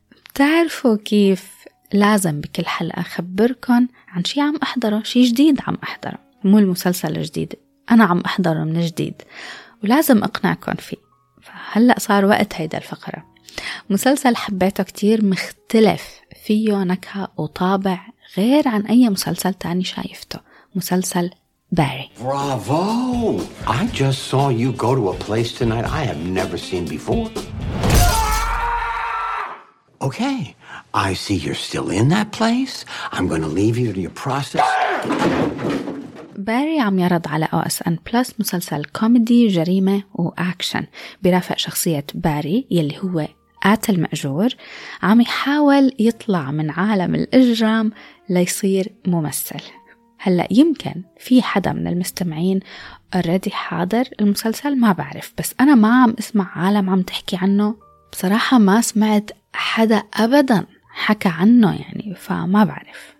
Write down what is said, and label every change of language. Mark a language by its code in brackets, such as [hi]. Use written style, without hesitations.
[ar] بتعرفوا كيف لازم بكل حلقة أخبركن عن شي عم أحضره شي جديد عم أحضره مو المسلسل الجديد أنا عم أحضره من جديد ولازم أقنعكن فيه. فهلأ صار وقت هيدا الفقرة. مسلسل حبيته كتير مختلف فيه نكهة وطابع غير عن أي مسلسل تاني شايفته. مسلسل باري. [en] Bravo! I just saw you go to a place tonight I have never seen before. Okay, I see you're still in that place. I'm going to leave you to your process. [ar] باري عم يعرض على OSN Plus مسلسل كوميدي جريمة وأكشن برافق شخصية باري يلي هو قاتل المأجور عم يحاول يطلع من عالم الإجرام ليصير ممثل. هلأ يمكن في حدا من المستمعين [en] already [ar] حاضر المسلسل ما بعرف بس أنا ما عم اسمع عالم عم تحكي عنه بصراحة ما سمعت حدا أبدا حكى عنه يعني فما بعرف.